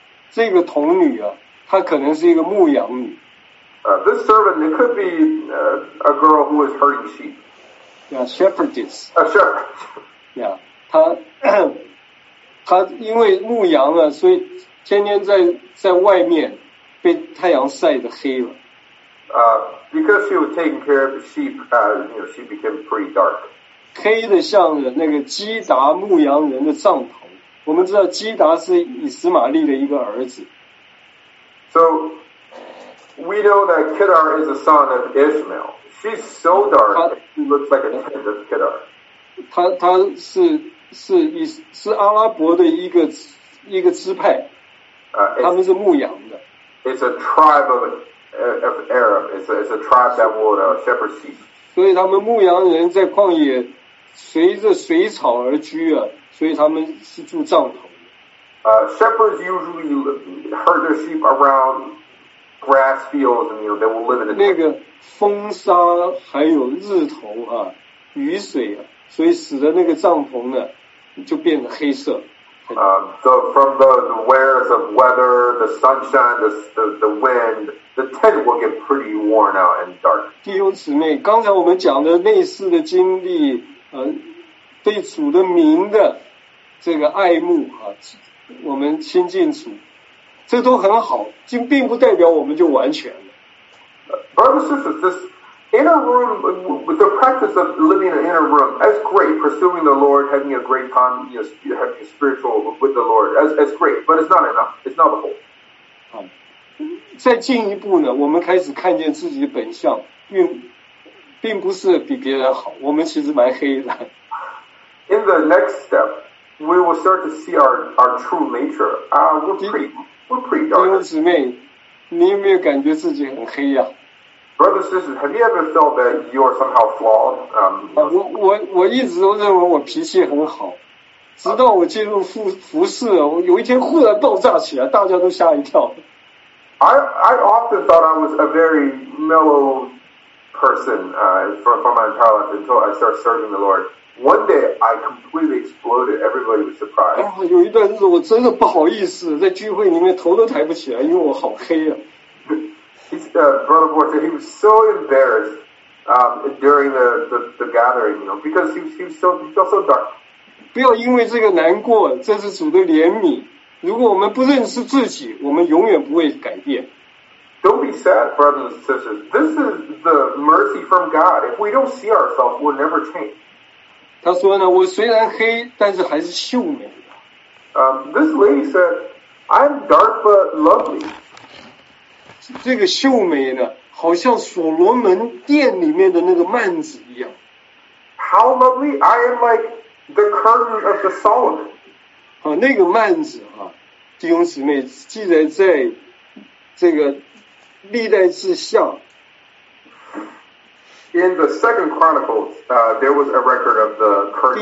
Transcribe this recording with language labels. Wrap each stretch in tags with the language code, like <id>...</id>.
<zh>这个童女啊，她可能是一个牧羊女。</zh> <en>This servant, it could be a girl who is herding sheep. Yeah, shepherdess. A shepherd.</en> <zh>Yeah, 她因为牧羊啊，所以天天在外面被太阳晒得黑了。</zh> <en>Because she was taking care of the sheep, she became pretty dark.</en> <zh>黑的像那个基达牧羊人的帐篷。我们知道基达是以实玛利的一个儿子。</zh> <en>So,we know that Kedar is the son of Ishmael. She's so dark, she looks like a tent of Kedar.</en> <zh>她是阿拉伯的一个支派，他们是牧羊的。</zh> <en>It's a tribe of Arab. It's a tribe that will shepherd sheep.</en> <zh>所以他们牧羊人在旷野随着水草而居啊，所以他们是住帐篷。</zh> <en>Shepherds usually herd their sheep around. Grass fields, and they will live in the.</en> <zh>那个风沙还有日头啊，雨水啊，所以使得那个帐篷呢就变得黑色。</zh> <en>So from the wears of weather, the sunshine, the wind, the tent will get pretty worn out and dark.</en> <zh>弟兄姊妹，刚才我们讲的类似的经历，对主的名的这个爱慕啊，我们亲近主，这都很好，竟并不代表我们就完全了。</zh> <en>Brothers and sisters, this inner room, the practice of living in an inner room, that's great. Pursuing the Lord, having a great time, you know, having a spiritual with the Lord, that's great. But it's not enough. It's not the whole.</en> <zh>再进一步呢，我们开始看见自己的本相，并不是比别人好，我们其实蛮黑的。</zh> <en>In the next step, we will start to see our true nature. We're pretty dark.</en> <zh>弟兄姊妹，你有没有感觉自己很黑呀、啊、</zh> <en>？Brothers and sisters, have you ever felt that you are somehow flawed?</en> <zh>我一直都认为我脾气很好，直到我进入服侍，我有一天忽然爆炸起来，大家都吓一跳。</zh> <en>I often thought I was a very mellow person for my entire life until I started serving the Lord. One day I completely exploded. Everybody was surprised.</en> <zh>有一段日子我真的不好意思，在聚会里面头都抬不起来，因为我好黑啊。</zh> <en>Brother Ford said he was so embarrassed during the gathering, you know, because he felt so dark.</en> <zh>不要因为这个难过，这是主的怜悯。如果我们不认识自己，我们永远不会改变。</zh> <en>Don't be sad, brothers and sisters. This is the mercy from God. If we don't see ourselves, we'll never change.</en> <zh>他说呢，我虽然黑，但是还是秀美的。</zh> <en>This lady said, "I'm dark but lovely."</en> <zh>这个秀美呢，好像所罗门殿里面的那个幔子一样。</zh> <en>How lovely! I am like the curtain of the Solomon.</en> <zh>那个幔子啊，弟兄姊妹，记得在这个历代志下。</zh> <en>In the Second Chronicles, there was a record of the curtain.</en>